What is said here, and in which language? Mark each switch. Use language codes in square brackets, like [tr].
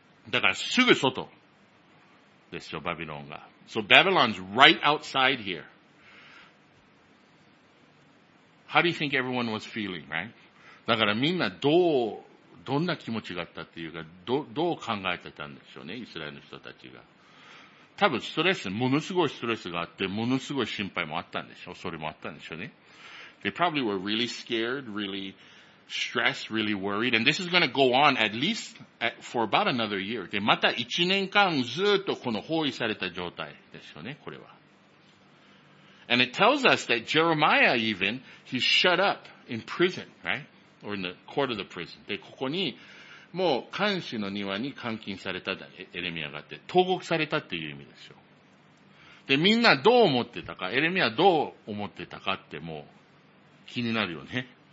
[ja] だから、すぐ外ですよ、バビロンが。 [en] So Babylon's right outside here. How do you think everyone was feeling, right? [ja] だからみんなどんな気持ちがあったっていうか、どう考えてたんでしょうね、イスラエルの人たちが。多分ストレス、ものすごいストレスがあって、ものすごい心配もあったんでしょう、それもあったんでしょうね。 [en] They probably were really scared, really stressed, really worried, and this is going to go on at least for about another year. [ja] で、また1年間ずっとこの包囲された状態でしょうね、これは。 [en] And it tells us that Jeremiah even, he's shut up in prison, right? Or in the court of the prison. [ja] で、ここに、もう、監視の庭に監禁された、エレミアがあって、投獄されたっていう意味でしょ。で、みんなどう思ってたか、エレミアどう思ってたかって、もう、気になるよね。